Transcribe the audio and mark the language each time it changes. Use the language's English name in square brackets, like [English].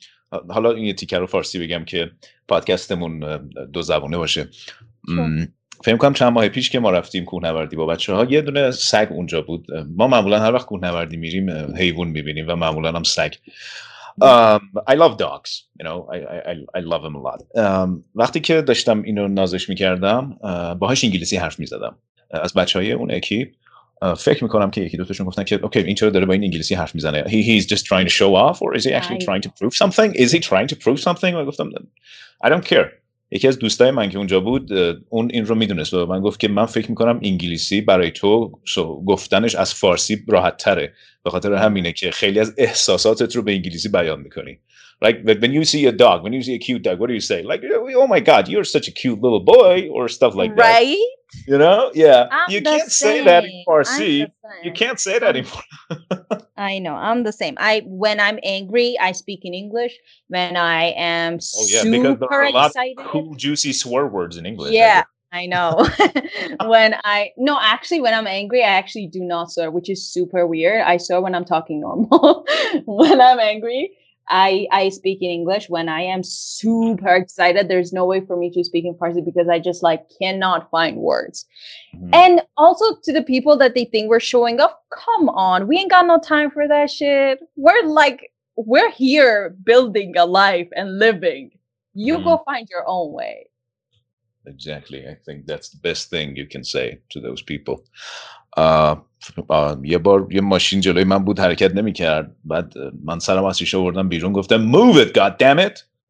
[Persian] حالا این یه تیکر رو فارسی بگم که پادکستمون دو زبانه باشه. فهم کنم چند ماه پیش که ما رفتیم کوهنوردی با بچه ها یه دونه سگ اونجا بود. ما معمولا هر وقت کوهنوردی میریم حیوان میبینیم و معمولا هم سگ. [English] I love dogs, you know, I love them a lot. [Persian] وقتی که داشتم اینو نازش میکردم باهاش انگلیسی حرف میزدم از بچه های اون اکیپ. فکر میکنم که یکی دوتاشون گفتن که اوکی این چرا داره با این انگلیسی حرف میزنه. [English] He's just trying to show off or is he actually trying to prove something? Is he trying to prove something? I [Persian] گفتم [English] I don't care. [Persian] یکی از دوستای من که اونجا بود اون این رو میدونست و من گفت که من فکر میکنم انگلیسی برای تو گفتنش از فارسی راحت تره به خاطر همینه که خیلی از احساساتت رو به انگلیسی بیان میکنی. [English] Like when you see a dog, when you see a cute dog, what do you say? Like, oh my god, you're such a cute little boy or stuff like that. Right? You know? Yeah. You can't say that in Farsi. You can't say that anymore. I know. I'm the same. When I'm angry, I speak in English. When I am super excited. Oh yeah, because there are a lot of cool, juicy swear words in English. Yeah, I know. when I'm angry, I actually do not swear, which is super weird. I swear when I'm talking normal. When I'm angry, I speak in English. When I am super excited, there's no way for me to speak in Farsi because I just like cannot find words. Mm-hmm. And also to the people that they think we're showing off, come on, we ain't got no time for that shit. We're here building a life and living. You go find your own way. Exactly. I think that's the best thing you can say to those people. [Persian] یه بار یه ماشین جلوی من بود حرکت نمی کرد، بعد من سرم از شیشه آوردم بیرون گفتم move it god damn it.